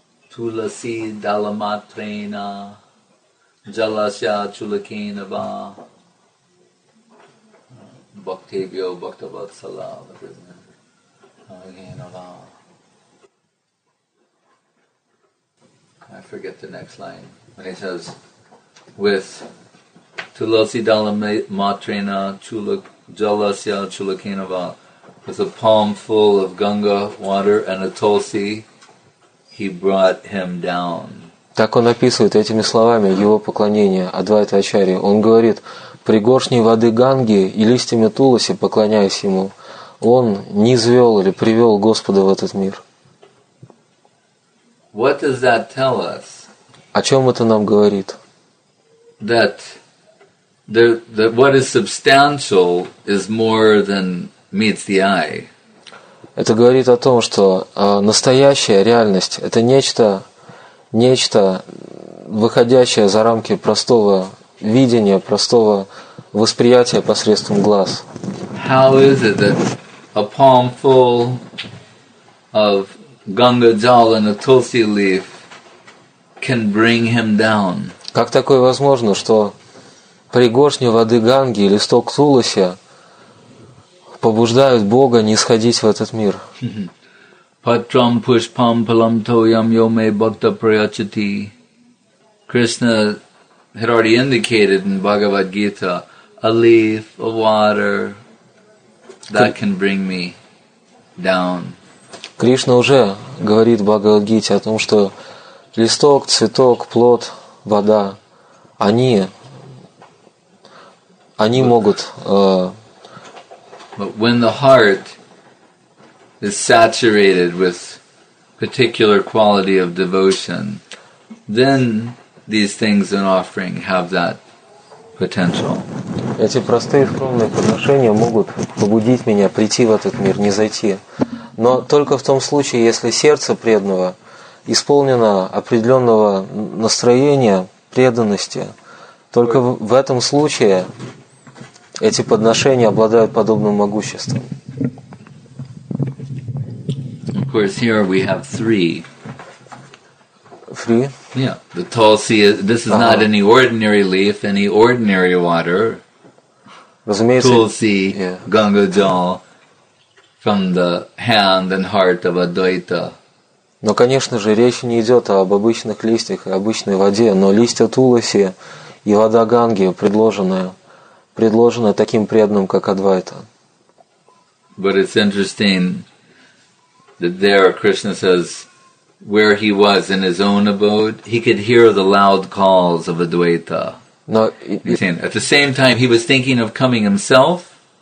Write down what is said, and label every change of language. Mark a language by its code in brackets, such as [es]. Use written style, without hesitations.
[sa] Туласи даламатрена джаласья чулакенава бхактебьо бхактаватсала агенава. [en] I forget the next line. When he says, with [sa] Tulasi Dala Matrena Chulak Jalasya Chulakinava, [en] with a palm full of Ganga water and a tulsi, he brought him down. [ru] Так он описывает этими словами его поклонение Адвайта Ачарья. Он говорит: пригоршней воды Ганги и листьями Туласи, поклоняясь ему, он низвел или привел Господа в этот мир. [en] What does that tell us? [ru] О чем это нам говорит? [en] That the what is substantial is more than meets the eye. [ru] Это говорит о том, что настоящая реальность – это нечто выходящее за рамки простого видения, простого восприятия посредством глаз. [en] How is it that a palm full of Ganga jal and a tulsi leaf can bring him down? [ru] Как такое возможно, что пригоршня воды Ганги и листок туласи побуждают Бога нисходить в этот мир? [sa] Патрам пушпам палам тоям йоме бхакта прайачати. [en] Krishna had already indicated in Bhagavad Gita a leaf, a water that can bring me down. [ru] Кришна уже говорит в Бхагавад-гите о том, что листок, цветок, плод, вода, они могут. [en] But when the heart is saturated with particular quality of devotion, then these things and offering have that potential. [ru] Эти простые скромные подношения могут побудить меня прийти в этот мир, не зайти. Но только в том случае, если сердце преданного исполнено определенного настроения, преданности, только в этом случае эти подношения обладают подобным могуществом. [en] Of course, here we have three. Three? Yeah. The tulsi, this is not any ordinary leaf, any ordinary water. [ru] Разумеется, [en] tulsi, yeah. Ganga jal. From the hand and heart of Advaita. [ru] Но, конечно же, речь не идет об обычных листьях и обычной воде, но листья туласи и вода Ганги, предложенная таким преданным, как Адвайта. [en] But it's interesting that there Krishna says, where he was in his own abode, he could hear the loud calls of Advaita. [ru] Но [en] at the same time, he was thinking of coming himself.